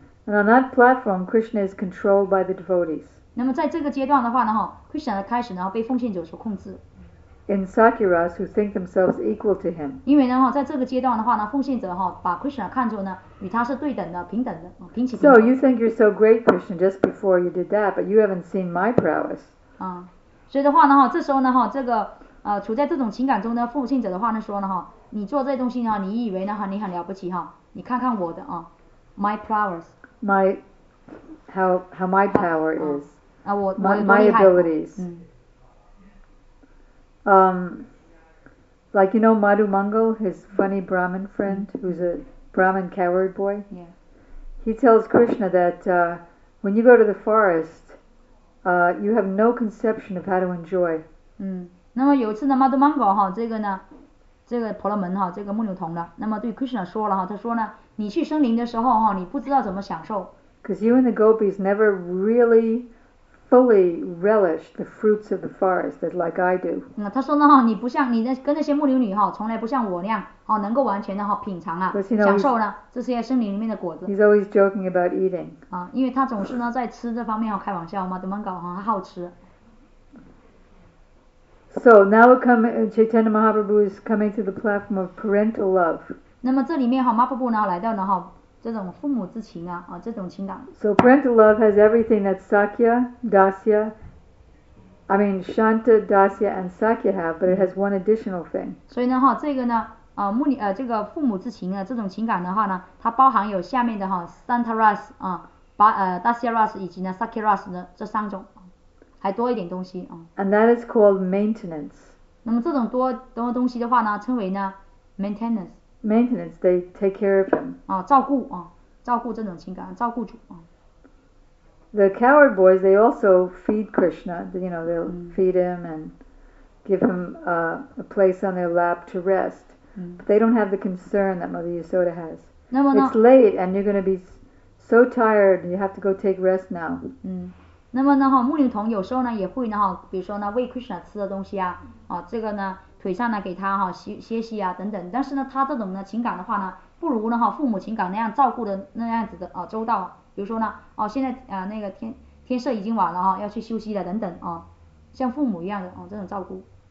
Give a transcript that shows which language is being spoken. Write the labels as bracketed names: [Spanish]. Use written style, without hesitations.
[English] And on that platform, Krishna is controlled by the devotees. [Chinese] 那么在这个阶段的话呢 ，Krishna 开始呢被奉献者所控制。 [English] In Sakyaras, who think themselves equal to him. [Chinese] 因为呢哈，在这个阶段的话呢，奉献者哈把 Krishna 看作呢与他是对等的、平等的、平起平等。 [English] So you think you're so great, Krishna, just before you did that, but you haven't seen my prowess. [Chinese] 啊，所以的话呢哈，这时候呢哈，这个处在这种情感中的奉献者的话呢说呢哈，你做这东西呢，你以为呢哈你很了不起哈，你看看我的啊 ， [English] my prowess. My my power is. [Chinese] 啊，我 [English] my abilities.、嗯 Like you know Madhu Mangal, his funny Brahmin friend, who's a Brahmin coward boy. Yeah. He tells Krishna that when you go to the forest, you have no conception of how to enjoy. [Chinese] 嗯，那么有一次呢 ，Madhu Mangal 哈，这个呢，这个婆罗门哈，这个牧牛童的，那么对 Krishna 说了哈，他说呢，你去森林的时候哈，你不知道怎么享受。 [English] Because you and the gopis never really. Fully relish the fruits of the forest, as like I do. [Chinese] 嗯，他说呢哈，你不像你那跟那些牧牛女哈，从来不像我那样哦，能够完全的哈品尝啊，享受呢这些森林里面的果子。 [English] He's always joking about eating. [Chinese] 啊，因为他总是呢在吃这方面哈开玩笑嘛，怎么搞哈，他好吃。 [English] So now we come, Chaitanya Mahaprabhu is coming to the platform of parental love. [Chinese] 那么这里面哈，Mahaprabhu呢来到呢哈。这种父母之情啊，啊，这种情感。 [English] So parental love has everything that Sakya, Dasya, I mean Shanta, Dasya, and Sakya have, but it has one additional thing. [Chinese] 所以呢，哈，这个呢，这个父母之情啊，这种情感的话呢，它包含有下面的哈 ，Santaras 啊， Dasyaras 以及呢 Sakiras 呢这三种，还多一点东西。 [English] And that is called maintenance. [Chinese] 那么这种多东西的话呢，称为呢 maintenance. [English] Maintenance, they take care of him. [Chinese] 啊，照顾啊，照顾这种情感，照顾主啊。 [English] The coward boys, they also feed Krishna. You know, they'll feed him and give him a place on their lap to rest. But they don't have the concern that Mother Yasoda has. [Chinese] 那么呢 [English] It's late and you're going to be so tired. You have to go take rest now. [Chinese] 那么呢，哈，牧牛童有时候呢也会呢，哈，比如说呢喂 Krishna 吃的东西啊，啊，这个呢腿上呢给他哈歇息啊等等。但是呢，他这种呢情感的话呢，不如呢哈父母情感那样照顾的那样子的啊周到。比如说呢，哦，现在啊，那个天色已经晚了哈，要去休息了等等啊，像父母一样的啊，这种照顾。